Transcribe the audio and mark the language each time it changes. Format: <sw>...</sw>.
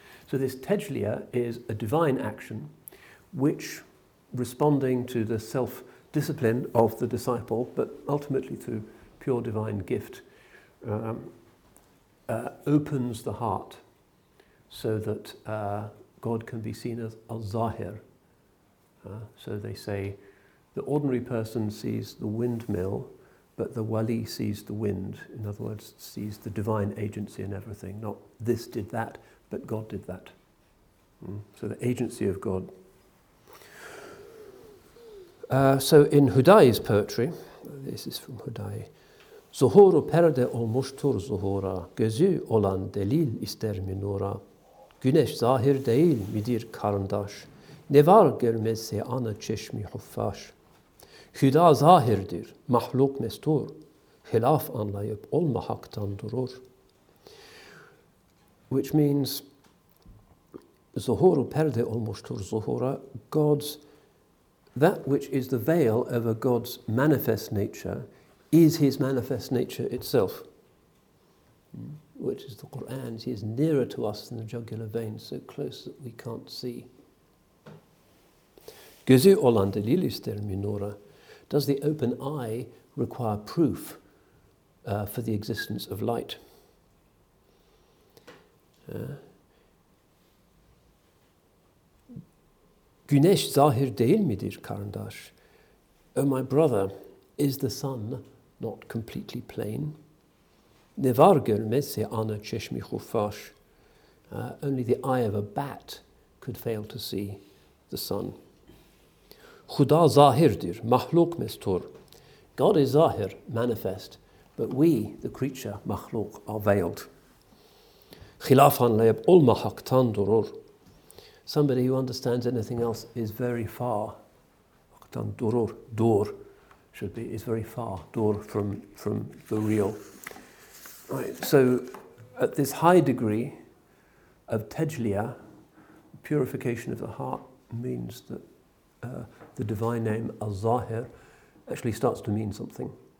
<en>So this tejliya is a divine action which, responding to the self-discipline of the disciple, but ultimately through pure divine gift, opens the heart so that God can be seen as al-zahir. So they say the ordinary person sees the windmill, but the wali sees the wind. In other words, sees the divine agency in everything. Not this did that, but God did that. So the agency of God.</en> <tr>So in Hudayi's poetry, this is from Hudayi, Zuhuru perde olmuştur zuhura, gözü olan delil ister minura, güneş zahir değil midir karındaş, ne var görmezse ana çeşmi huffaş, Hüda zahirdir, mahluk mestur, hilaf anlayıp olma haktan durur.</tr> <en>Which means,</en> <tr>Zuhuru perde olmuştur zuhura,</tr> <en>God's, that which is the veil over God's manifest nature is his manifest nature itself. Which is the Qur'an. He is nearer to us than the jugular vein, so close that we can't see.</en> <tr>Gözü olan delil ister minura.</tr> <en>Does the open eye require proof for the existence of light?</en> <tr>Güneş zahir değil midir karındaş?</tr> <en>Oh my brother, is the sun not completely plain?</en> <tr>Ne var görmezse ana çeşmi hufaş?</tr> <en>Only the eye of a bat could fail to see the sun.</en> <tr>Huda zahirdir, mahluk mestur.</tr> <en>God is zahir, manifest, but we, the creature, mahluk, are veiled.</en> <tr>Khilaf anlayıp olma haktan durur.</tr> <en>Somebody who understands anything else is very far.</en> <tr>Haktan durur,</tr> <en>dur, should be, is very far, dur, from the real. Right, so at this high degree of tejliya, purification of the heart, means that the divine name Al-Zahir actually starts to mean something.</en>